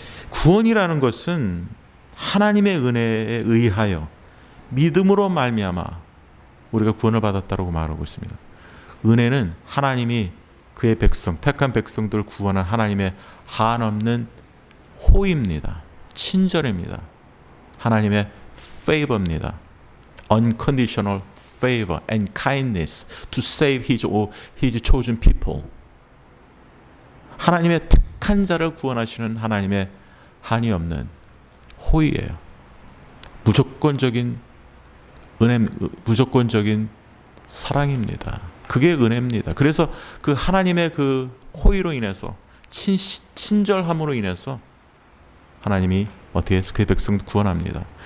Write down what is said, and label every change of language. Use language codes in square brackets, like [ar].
[ko] 구원이라는 것은 하나님의 은혜에 의하여 믿음으로 말미암아 우리가 구원을 받았다고 말하고 있습니다. 은혜는 하나님이 그의 백성, 택한 백성들을 구원한 하나님의 한없는 호의입니다. 친절입니다. 하나님의 favor입니다. [en] Unconditional favor and kindness to save his chosen people. [ko] 하나님의 택한 자를 구원하시는 하나님의 한이 없는 호의예요. 무조건적인 은혜, 무조건적인 사랑입니다. 그게 은혜입니다. 그래서 그 하나님의 그 호의로 인해서 친절함으로 인해서 하나님이 어떻게 해서 그 백성을 구원합니다.